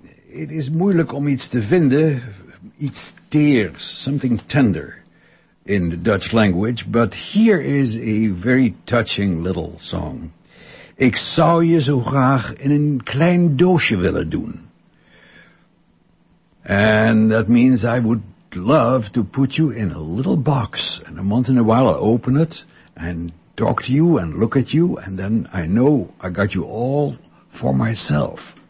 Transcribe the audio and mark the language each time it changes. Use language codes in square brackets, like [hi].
[nl] Het is moeilijk om iets te vinden, iets teers, [en] something tender in the Dutch language. But here is a very touching little song. [nl] Ik zou je zo graag in een klein doosje willen doen. [en] And that means I would love to put you in a little box. And once in a while I open it and talk to you and look at you. And then I know I got you all for myself.